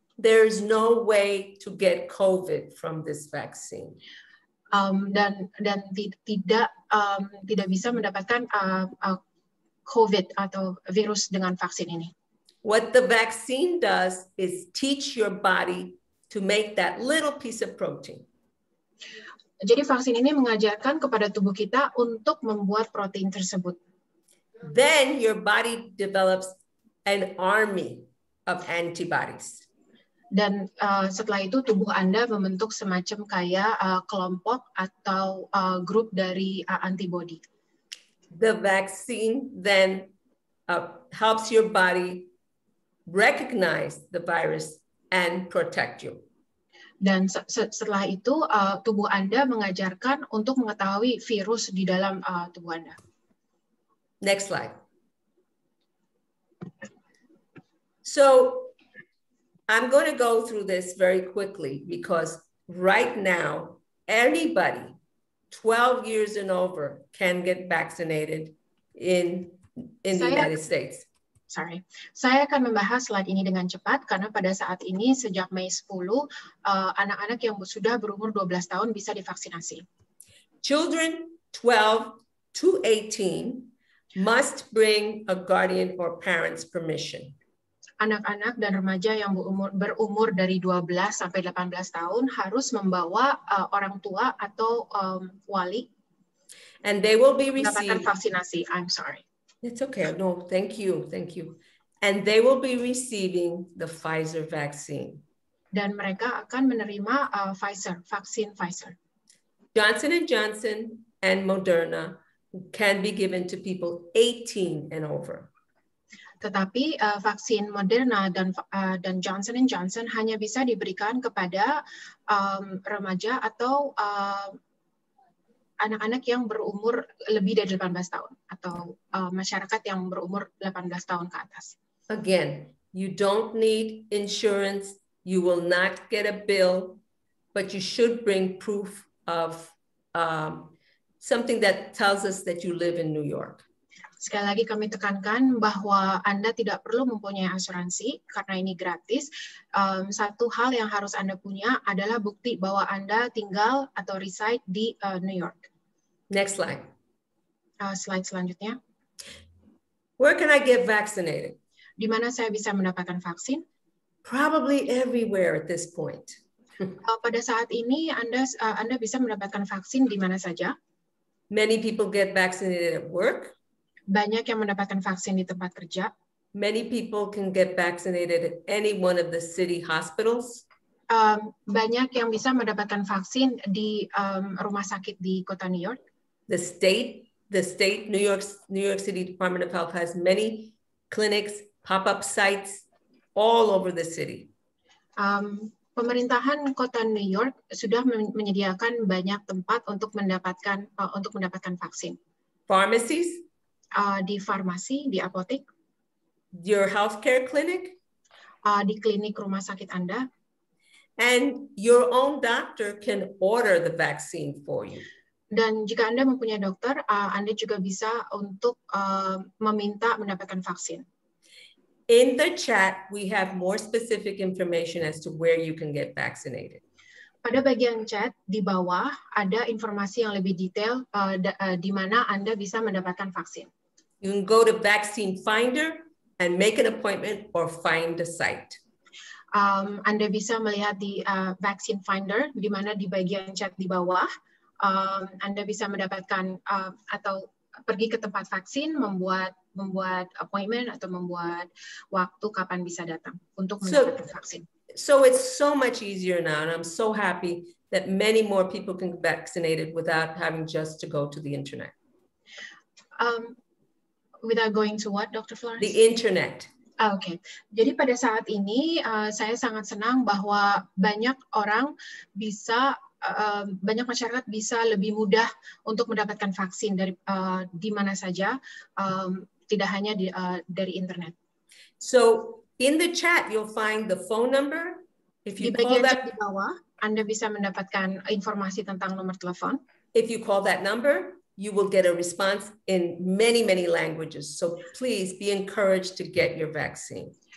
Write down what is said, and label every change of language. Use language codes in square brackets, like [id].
[en] There is no way to get COVID from this vaccine. [id] Tidak bisa mendapatkan COVID atau virus dengan vaksin ini. [en] What the vaccine does is teach your body to make that little piece of protein. [id] Jadi vaksin ini mengajarkan kepada tubuh kita untuk membuat protein tersebut. [en] Then your body develops an army of antibodies. [id] Dan setelah itu tubuh Anda membentuk semacam kayak kelompok atau grup dari antibody. [en] The vaccine then helps your body recognize the virus and protect you. [id] Dan setelah itu tubuh Anda mengajarkan untuk mengetahui virus di dalam tubuh Anda. [en] Next slide. So I'm going to go through this very quickly because right now anybody 12 years and over can get vaccinated in the United States. Sorry. [id] Saya akan membahas slide ini dengan cepat karena pada saat ini sejak Mei 10 anak-anak yang sudah berumur 12 tahun bisa divaksinasi. [en] Children 12 to 18 must bring a guardian or parent's permission. [id] Anak-anak dan remaja yang berumur dari 12 sampai 18 tahun harus membawa orang tua atau wali. [en] And they will be receiving vaksinasi. I'm sorry. It's okay. No, thank you. Thank you. And they will be receiving the Pfizer vaccine. [id] Dan mereka akan menerima vaksin Pfizer. [en] Johnson & Johnson and Moderna can be given to people 18 and over. [id] Tetapi vaksin Moderna dan Johnson & Johnson hanya bisa diberikan kepada remaja atau anak-anak yang berumur lebih dari 18 tahun atau masyarakat yang berumur 18 tahun ke atas. [en] Again, you don't need insurance, you will not get a bill, but you should bring proof of something that tells us that you live in New York. [id] Sekali lagi kami tekankan bahwa Anda tidak perlu mempunyai asuransi karena ini gratis. Satu hal yang harus Anda punya adalah bukti bahwa Anda tinggal atau reside di New York. [en] Next slide. [id] Slide selanjutnya. [en] Where can I get vaccinated? [id] Di mana saya bisa mendapatkan vaksin? [en] Probably everywhere at this point. [id] Pada saat ini Anda bisa mendapatkan vaksin di mana saja. [en] Many people get vaccinated at work. [id] Banyak yang mendapatkan vaksin di tempat kerja. [en] Many people can get vaccinated at any one of the city hospitals. [id] Banyak yang bisa mendapatkan vaksin di rumah sakit di kota New York. [en] The state, New York City Department of Health has many clinics, pop-up sites all over the city. [id] Pemerintahan kota New York sudah menyediakan banyak tempat untuk mendapatkan vaksin. [en] Pharmacies. [id] Di farmasi, di apotek. [en] Your healthcare clinic. [id] Di klinik rumah sakit Anda. [en] And your own doctor can order the vaccine for you. [id] Dan jika Anda mempunyai dokter, Anda juga bisa untuk meminta mendapatkan vaksin. [en] In the chat, we have more specific information as to where you can get vaccinated. [id] Pada bagian chat di bawah ada informasi yang lebih detail di mana Anda bisa mendapatkan vaksin. [en] You can go to Vaccine Finder and make an appointment or find a site. [id] Anda bisa melihat di Vaccine Finder di mana di bagian chat di bawah Anda bisa mendapatkan atau pergi ke tempat vaksin membuat appointment atau membuat waktu kapan bisa datang untuk mendapatkan vaksin. [en] So it's so much easier now, and I'm so happy that many more people can get vaccinated without having just to go to the internet. Without going to what, Dr. Florence? The internet. Oh, okay. [id] Jadi pada saat ini, saya sangat senang bahwa banyak masyarakat bisa lebih mudah untuk mendapatkan vaksin dari di mana saja, tidak hanya dari internet. [en] So, in the chat, you'll find the phone number. If you call that, [id] di bagian di bawah, Anda bisa mendapatkan informasi tentang nomor telepon. [en] If you call that number, you will get a response in many, many languages. So please be encouraged to get your vaccine.